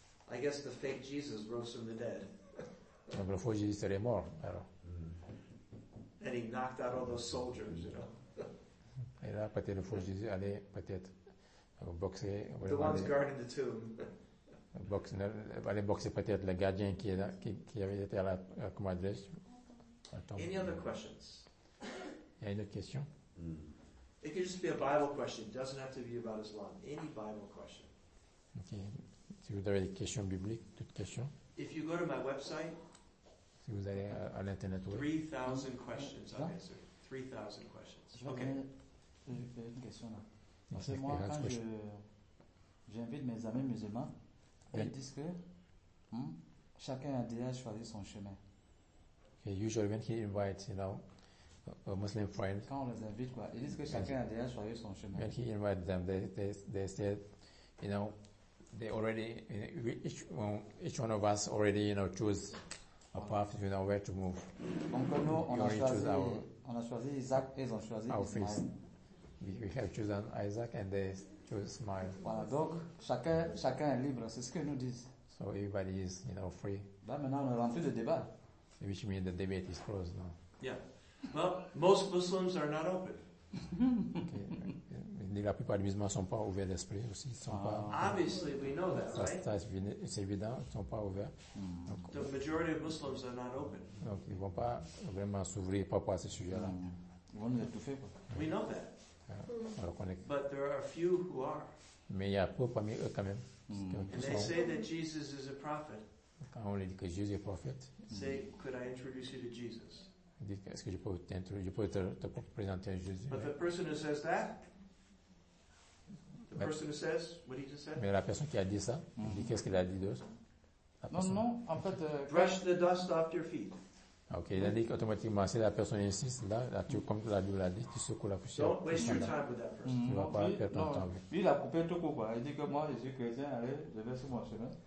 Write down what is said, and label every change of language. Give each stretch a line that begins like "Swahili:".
English: I guess the fake Jesus rose from the dead.
French: Donc le faux Jésus serait mort, alors.
English: and he knocked out all those soldiers, you know.
French: Et là, peut-être le faux Jésus allait peut-être boxer.
English: The ones
French: aller,
English: guarding the tomb.
French: Aller boxer peut-être le gardien qui avait été à la comme adresse.
English: Any other questions?
French: Il y a une autre question?
English: It could just be a Bible question. It doesn't have to be about Islam. Any Bible question. Okay.
French: Si vous avez des questions bibliques, toutes questions.
English: If you go to my website,
French: si vous allez à l'internet,
English: 3,000 questions. Okay, sorry. 3,000 questions. Okay.
French: Je vais faire une question là. Parce que moi, quand j'invite mes amis musulmans, ils disent que chacun a déjà choisi son chemin.
English: Okay, usually when he invites, you know, a Muslim friend.
French: Quand on les invite, quoi, ils disent que chacun a déjà choisi son chemin.
English: When he invites them, they said, you know, they already, you know, each one of us already, you know, choose a path, you know, where to move.
French: Donc nous, on a choisi Isaac et ils ont choisi Ismaël.
English: We have chosen Isaac and they chose Ismail.
French: Voilà, donc chacun est libre, c'est ce que nous disent.
English: So everybody is, you know, free.
French: Là maintenant, on ne rentre plus de débat.
English: Which means the debate is closed now. Yeah. Well, most Muslims are not open. Okay.
French: La plupart des musulmans ne sont pas ouverts d'esprit aussi. Pas,
English: obviously, we know that,
French: ça,
English: right?
French: C'est évident, ils ne sont pas ouverts. Mm.
English: Donc, the majority of Muslims are not open.
French: Donc ils ne vont pas vraiment s'ouvrir par rapport à ce sujet-là. Ils vont nous étouffer, quoi.
English: We know that. But there are a few who are.
French: Mais il y a peu parmi eux quand même.
English: And they say that Jesus is a prophet.
French: Quand on dit que Jésus est prophète.
English: Say, could I introduce you to Jesus?
French: Est-ce que je peux te présenter à Jésus?
English: But the person who says that, the person who says what he just said.
French: Mais la personne qui a dit ça, dit qu'est-ce qu'il a dit d'eux? Non, en fait.
English: Brush the dust off your feet.
French: Ok, il a dit qu'automatiquement, si la personne insiste, là tu, comme la Bible l'a dit, tu secoues la poussière.
English: Don't waste your time with that person.
French: Tu ne vas pas perdre ton temps. Puis il a coupé tout court, quoi. Il dit que moi, je suis chrétien, allez, je vais sur mon chemin.